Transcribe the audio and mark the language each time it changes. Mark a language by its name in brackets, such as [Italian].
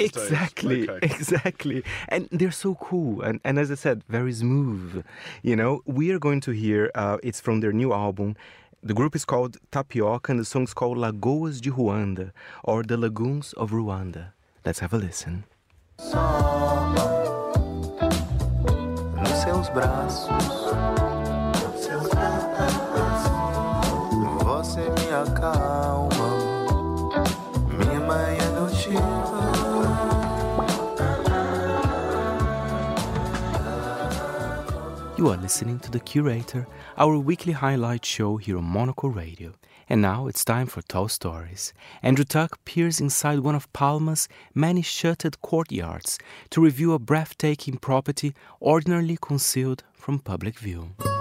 [English] exactly, days. Exactly, okay. Exactly. And they're so cool, and as I said, very smooth. You know, we are going to hear, it's from their new album. The group is called Tapioca, and the song's called Lagoas de Ruanda, or The Lagoons of Rwanda. Let's have a listen. [Portuguese] Nos seus braços, você me acalma, minha mãe adotiva. [English] You are listening to The Curator, our weekly highlight show here on Monocle Radio. And now it's time for Tall Stories. Andrew Tuck peers inside one of Palma's many shuttered courtyards to review a breathtaking property ordinarily concealed from public view.